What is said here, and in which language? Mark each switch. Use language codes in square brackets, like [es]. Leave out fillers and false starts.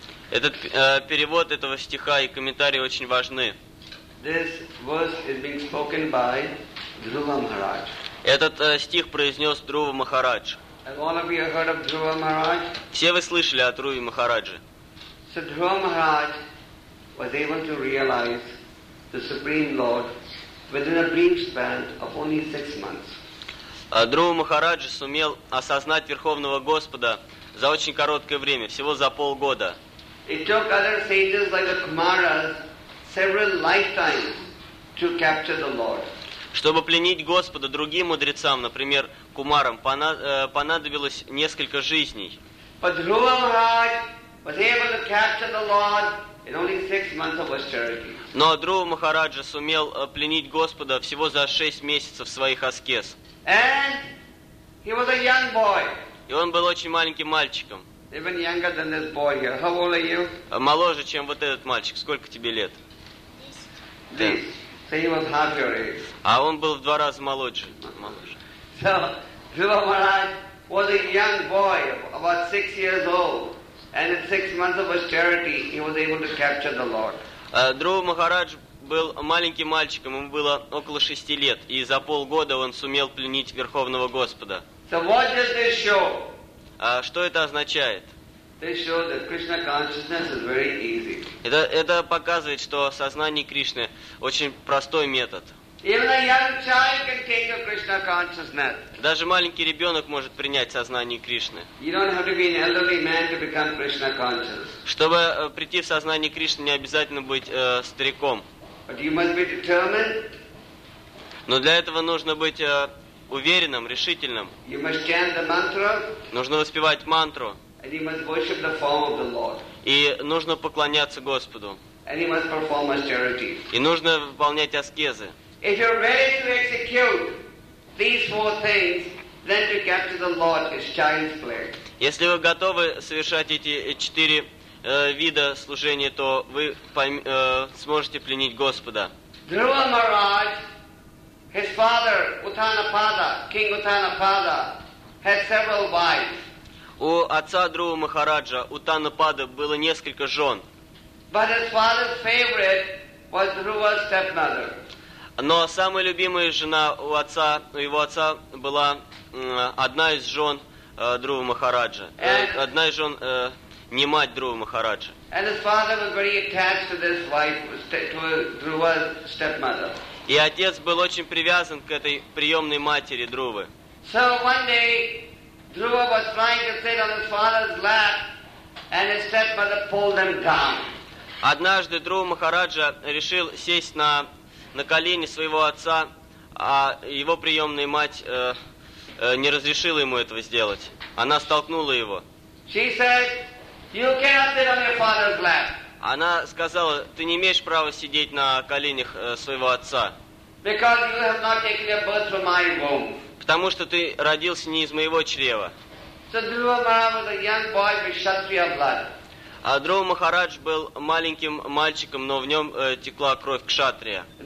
[ru] Этот перевод этого стиха и комментарии очень важны. [en] This verse is being spoken by Dhruva Maharaj. [ru] Этот стих произнес Друва Махарадж. [en] Have all of you heard of Dhruva Maharaj? [ru] Все вы слышали о Друве Махарадже. [en] So Dhruva Maharaj was able to realize the Supreme Lord within a brief span of only 6 months. [ru] Друва Махараджа сумел осознать Верховного Господа за очень короткое время, всего за полгода. [en] It took other sages like the Kumaras several lifetimes to capture the Lord. [ru] Чтобы пленить Господа другим мудрецам, например, Кумарам, понадобилось несколько жизней. [en] But Druva Maharaj was able to capture the Lord in only 6 months of austerity. [ru] Но Друва Махараджа сумел пленить Господа всего за 6 месяцев своих аскез. [en] And he was a young boy. [ru] И он был очень маленьким мальчиком. [en] Even younger than this boy here. How old are you? [ru] Моложе, чем вот этот мальчик. Сколько тебе лет? [en] This. [ru] Да. [en] So he was half your age. [ru] А он был в 2 раза моложе. [en] So Dhruva Maharaj was a young boy, about 6 years old, and in 6 months of austerity, he was able to capture the Lord. [ru] Dhruva Maharaj был маленьким мальчиком, ему было около 6 лет, и за полгода он сумел пленить Верховного Господа. [en] So what does this show? [ru] Что это означает? [en] This show that Krishna consciousness is very easy. [ru] Это показывает, что сознание Кришны очень простой метод. [en] Even a young child can take your Krishna consciousness. [ru] Даже маленький ребенок может принять сознание Кришны. [en] You don't have to be an elderly man to become Krishna conscious. [ru] Чтобы прийти в сознание Кришны, не обязательно быть стариком. [en] But you must be determined. [ru] Но для этого нужно быть уверенным, решительным. [en] You must chant the mantra. [ru] Нужно воспевать мантру. [en] And you must worship the form of the Lord. [ru] И нужно поклоняться Господу. [en] And you must perform austerity. [ru] И нужно выполнять аскезы. [en] If you're ready to execute these 4 things, then to capture the Lord is child's play. [ru] Если вы готовы совершать эти 4 вида служения, то вы сможете пленить Господа. [en] Dhruva Maharaj, his father Uttanapada, King Uttanapada, had several wives. [ru] У отца Друва Махараджа Уттанапада было несколько жен. [en] But his father's favorite was Dhruva's stepmother. [ru] Но самая любимая жена у отца, у его отца была одна из жен Друва Махараджа. Одна из жен, не мать Друва Махараджа. И отец был очень привязан к этой приемной матери Друвы. [en] So one day, Dhruva was trying to sit on his father's lap, and his stepmother pulled him down. [ru] Однажды Друва Махараджа решил сесть на колени своего отца, а его приемная мать не разрешила ему этого сделать. Она столкнула его. [en] She said, "You cannot sit on your father's lap." [ru] Она сказала: "Ты не имеешь права сидеть на коленях своего отца." [en] Because you have not taken your birth from my womb. [ru] Потому что ты родился не из моего чрева. [en] So Dhruva Maharaj was a young boy with Kshatriya blood. [ru] А Друва Махарадж был маленьким мальчиком, но в нем текла кровь кшатрия.